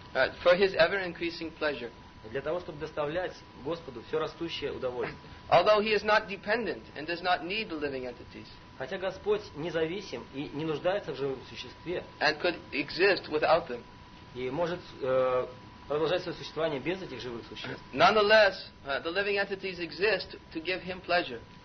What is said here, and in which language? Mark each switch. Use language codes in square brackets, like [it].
[en] For his ever-increasing pleasure. [ru] Для того, чтобы доставлять Господу все растущее удовольствие. [en] Although he is not dependent and does not need the living entities. [ru] Хотя Господь независим и не нуждается в живом существе. [en] And could exist without them. [ru] И может продолжать свое существование без этих живых существ. [en] Nonetheless, the living entities exist to give him pleasure.